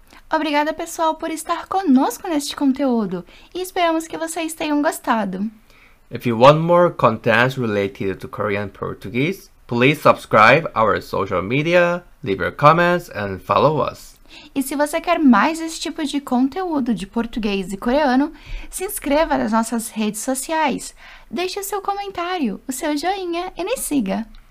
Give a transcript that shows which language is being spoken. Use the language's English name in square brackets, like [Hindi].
[Portuguese] Obrigada pessoal por estar conosco neste conteúdo e esperamos que vocês tenham gostado. [English] If you want more content related to Korean Portuguese, please subscribe our social media, leave your comments and follow us. [Portuguese] E se você quer mais esse tipo de conteúdo de português e coreano, se inscreva nas nossas redes sociais, deixe o seu comentário, o seu joinha e nos siga.